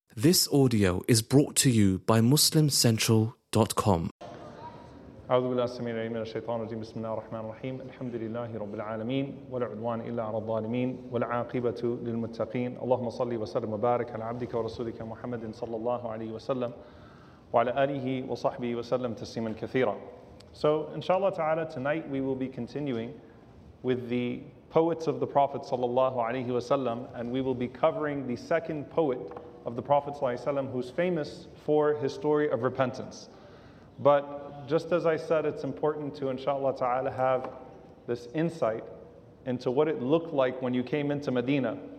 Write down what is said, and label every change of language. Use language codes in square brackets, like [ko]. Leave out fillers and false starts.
[en] This audio is brought to you by MuslimCentral.com. [ar] أعوذ بالله السميع العليم من الشيطان الرجيم بسم الله الرحمن الرحيم الحمد لله رب العالمين ولا عدوان إلا على الظالمين والعاقبة للمتقين اللهم صل وسلم وبارك على عبدك ورسولك محمد صلى الله عليه وسلم وعلى آله وصحبه وسلم تسليما كثيرا. [en] So inshallah ta'ala, tonight we will be continuing with the poets of the Prophet sallallahu alayhi wa sallam, and we will be covering the second poet of the Prophet sallallahu alayhi wa sallam, who's famous for his story of repentance. But just as I said, it's important to inshallah ta'ala have this insight into what it looked like when you came into Medina.